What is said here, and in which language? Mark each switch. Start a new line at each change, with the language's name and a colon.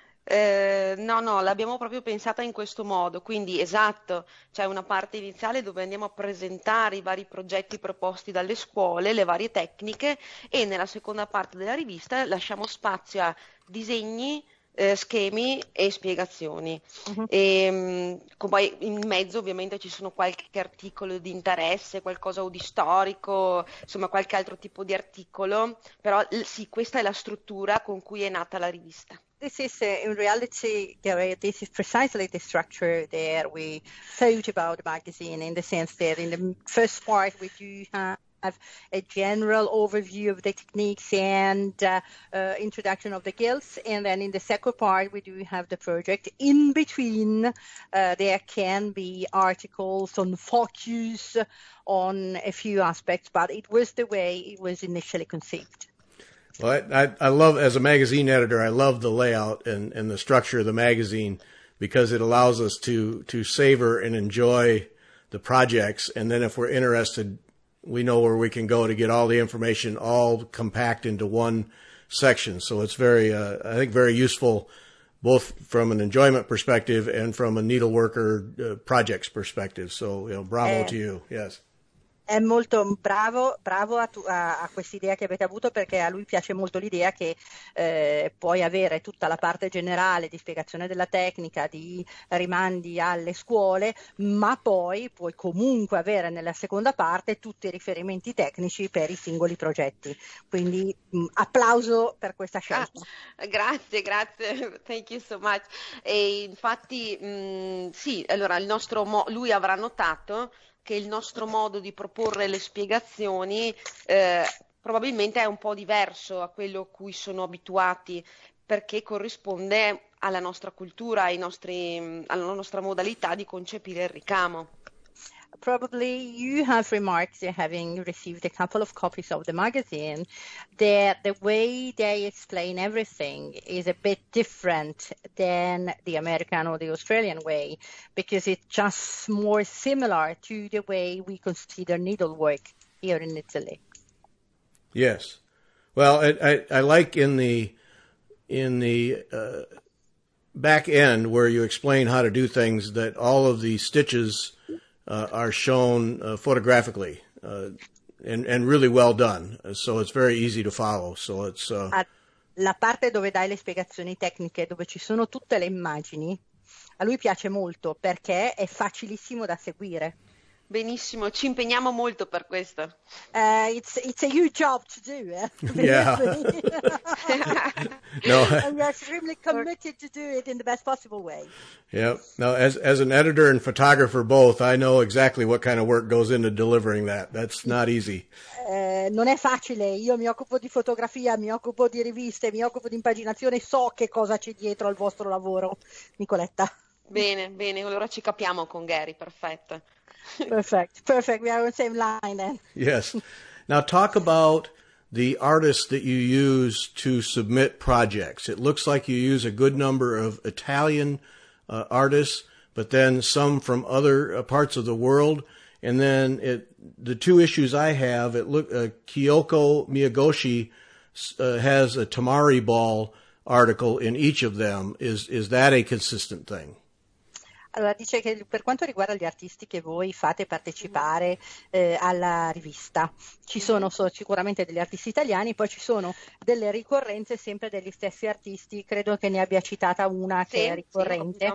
Italian: No, l'abbiamo proprio pensata in questo modo, quindi esatto, c'è una parte iniziale dove andiamo a presentare i vari progetti proposti dalle scuole, le varie tecniche, e nella seconda parte della rivista lasciamo spazio a disegni, schemi e spiegazioni. Uh-huh. E, in mezzo ovviamente ci sono qualche articolo di interesse, qualcosa o di storico, insomma qualche altro tipo di articolo, però sì, questa è la struttura con cui è nata la rivista.
English: This is, in reality, Gary, this is precisely the structure that we thought about the magazine, in the sense that in the first part we do have have a general overview of the techniques and introduction of the skills. And then in the second part, we do have the project. In between, there can be articles on focus on a few aspects, but it was the way it was initially conceived. Well, I love, as a magazine editor, I love the layout and the structure of the magazine, because it allows us to savor and enjoy the projects. And then if we're interested, we know where we can go to get all the information all compact into one section. So it's very, I think, very useful, both from an enjoyment perspective and from a needleworker projects perspective. So, you know, bravo to you. Yes.
Italian: È molto bravo a questa idea che avete avuto, perché a lui piace molto l'idea che puoi avere tutta la parte generale di spiegazione della tecnica, di rimandi alle scuole, ma poi puoi comunque avere nella seconda parte tutti i riferimenti tecnici per i singoli progetti. Quindi applauso per questa scelta. Ah, grazie, grazie.
English: Thank you so much.
Italian: E infatti, sì, allora il nostro lui avrà notato che il nostro modo di proporre le spiegazioni probabilmente è un po' diverso a quello a cui sono abituati, perché corrisponde alla nostra cultura, alla nostra modalità di concepire il ricamo.
English: Probably you have remarked, having received a couple of copies of the magazine, that the way they explain everything is a bit different than the American or the Australian way, because it's just more similar to the way we consider needlework here in Italy. Yes. Well, I like in the back end where you explain how to do things, that all of the stitches are shown photographically and really well done, so it's very easy to follow. So it's
Italian: la parte dove dai le spiegazioni tecniche, dove ci sono tutte le immagini, a lui piace molto perché è facilissimo da seguire. Benissimo, ci impegniamo molto per questo.
English: It's a huge job to do, yeah. No, and we're extremely committed to do it in the best possible way. Yeah, now as an editor and photographer both, I know exactly what kind of work goes into delivering that. That's not easy.
Italian: Non è facile. Io mi occupo di fotografia, mi occupo di riviste, mi occupo di impaginazione. So che cosa c'è dietro al vostro lavoro, Nicoletta. Bene, bene. Allora ci capiamo con Gary. Perfetto.
English: Perfect, perfect. We are on the same line then. Yes. Now talk about the artists that you use to submit projects. It looks like you use a good number of Italian artists, but then some from other parts of the world. And then the two issues I have, Kyoko Miyagoshi has a Tamari Ball article in each of them. Is that a consistent thing?
Italian: Allora, dice che per quanto riguarda gli artisti che voi fate partecipare alla rivista, ci sono sicuramente degli artisti italiani, poi ci sono delle ricorrenze sempre degli stessi artisti, credo che ne abbia citata una che è ricorrente.